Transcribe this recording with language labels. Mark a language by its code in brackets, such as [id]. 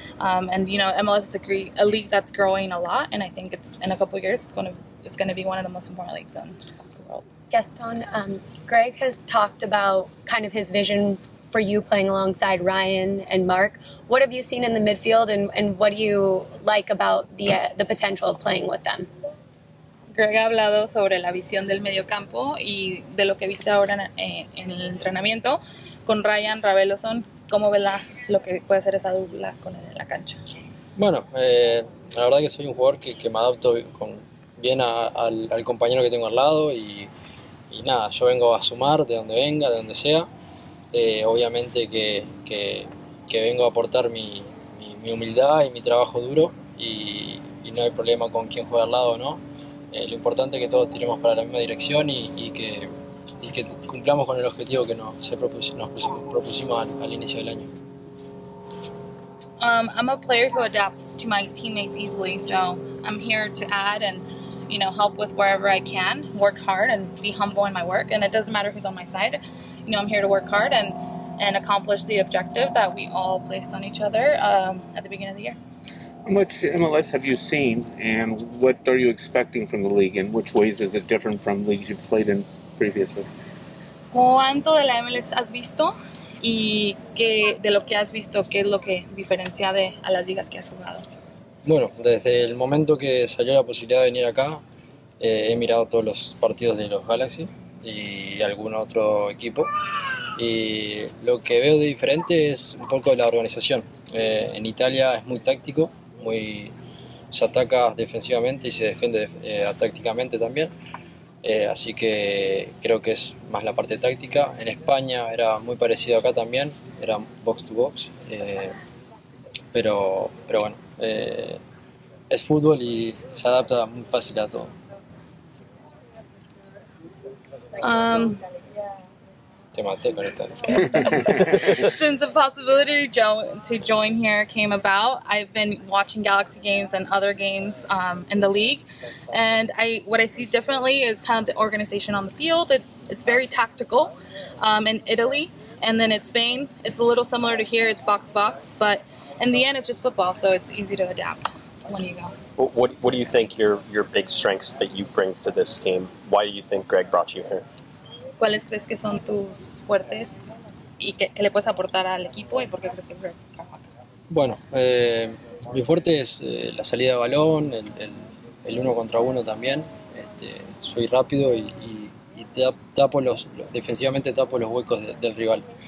[en] And you know, MLS is a league that's growing a lot, and I think it's in a couple of years it's going to be one of the most important leagues in the world. Gaston, Greg has talked about kind of his vision for you playing alongside Ryan and Mark. What have you seen in the midfield, and what do you like about the potential of playing with them? [es] Greg ha hablado sobre la visión del mediocampo y de lo que viste ahora en el entrenamiento con Ryan Ravelosson. ¿Cómo ves lo que puede ser esa dupla con él en la cancha? Bueno, la verdad que soy un jugador que me adapto bien al compañero que tengo al lado, y nada, yo vengo a sumar de donde venga, de donde sea. Obviamente que vengo a aportar mi humildad y mi trabajo duro, y no hay problema con quién juega al lado o no. Lo importante es que todos tiremos para la misma dirección y que cumplamos con el objetivo que nos propusimos al inicio del año. [en] I'm a player who adapts to my teammates easily, so I'm here to add and, you know, help with wherever I can, work hard and be humble in my work, and it doesn't matter who's on my side. You know, I'm here to work hard and accomplish the objective that we all placed on each other at the beginning of the year. How much MLS have you seen, and what are you expecting from the league, and which ways is it different from leagues you've played in previously? [es] ¿Cuánto de la MLS has visto, y qué de lo que has visto, qué es lo que diferencia de a las ligas que has jugado? Bueno, desde el momento que salió la posibilidad de venir acá, he mirado todos los partidos de los Galaxy y algún otro equipo, y lo que veo de diferente es un poco de la organización. En Italia es muy táctico, se ataca defensivamente y se defiende tácticamente también, así que creo que es más la parte táctica. En España era muy parecido acá también, era box to box, pero bueno, es fútbol y se adapta muy fácil a todo. [en] Since the possibility to join here came about, I've been watching Galaxy games and other games in the league, and what I see differently is kind of the organization on the field. It's very tactical in Italy, and then in Spain it's a little similar to here. It's box to box, but in the end it's just football, so it's easy to adapt when you go. What do you think your big strengths that you bring to this team? Why do you think Greg brought you here? [es] ¿Cuáles crees que son tus fuertes y qué le puedes aportar al equipo, y por qué crees que Greg trabaja? Bueno, mi fuerte es la salida de balón, el uno contra uno también. Soy rápido y tapo defensivamente tapo los huecos del rival.